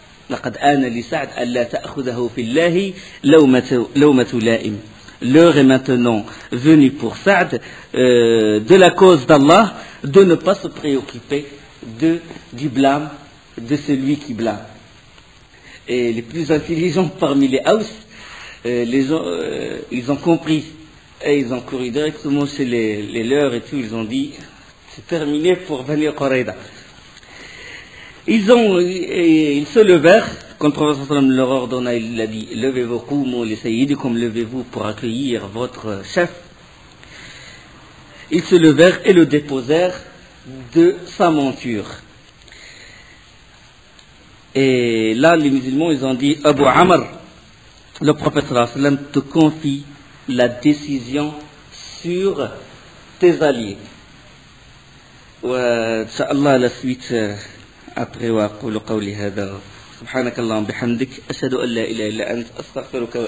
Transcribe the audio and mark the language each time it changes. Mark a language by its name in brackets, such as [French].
[Arabic] لقد آن لسعد ألا تأخذه في الله لومة لائم. [French] L'heure est maintenant venue pour Sa'd, de la cause d'Allah, de ne pas se préoccuper du blâme de celui qui blâme. Et les plus intelligents parmi les Aous, ils ont compris. Et ils ont couru directement chez les leurs et tout. Ils ont dit, c'est terminé pour Bani Qurayza. Ils se levèrent. Quand le prophète sallam leur ordonna, il a dit, levez-vous pour accueillir votre chef. Ils se levèrent et le déposèrent de sa monture. Et là, les musulmans, ils ont dit, Abu Amr, le prophète sallam te confie la décision sur tes alliés. [Arabic] Inch'Allah, [French] la suite après, [Arabic] wa aqulu qawli hadha. سبحانك اللهم بحمدك أشهد أن لا إله إلا أنت أستغفرك وأتوب إليك.